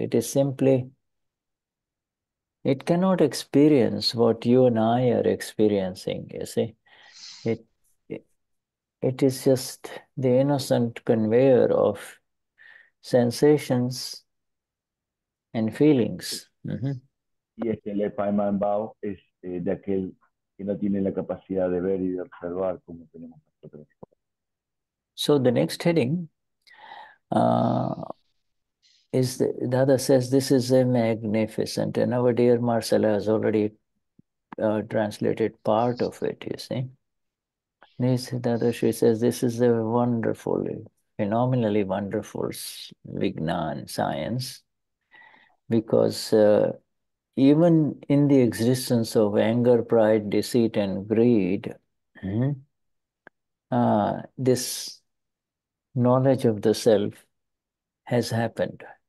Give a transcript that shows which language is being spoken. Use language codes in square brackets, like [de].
[en] It is simply, it cannot experience what you and I are experiencing, you see. It is just the innocent conveyor of sensations and feelings. [es] Y es que el Paiman Bao es de aquel que no tiene la capacidad de ver y de observar como tenemos nosotros. [en] So the next heading is Dada says this is a magnificent, and our dear Marcella has already translated part of it, you see. This Dada Shri says this is a wonderful, phenomenally wonderful Vignan science, because even in the existence of anger, pride, deceit, and greed, this knowledge of the self has happened.